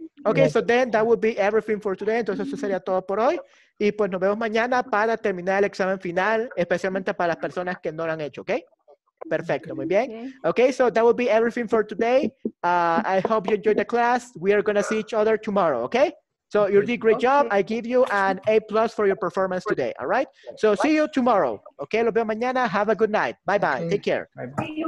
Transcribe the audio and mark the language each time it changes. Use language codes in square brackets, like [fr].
[en] Okay, so then that would be everything for today. [es] Entonces eso sería todo por hoy. Y pues nos vemos mañana para terminar el examen final, especialmente para las personas que no lo han hecho, okay? Perfecto, muy bien. [en] Okay, so that would be everything for today. I hope you enjoyed the class. We are going to see each other tomorrow, okay? So you did a great job. I give you an A+ for your performance today. All right. So see you tomorrow. Okay. [es] Lo veo mañana. [en] Have a good night. Bye bye. Okay. Take care. Bye-bye.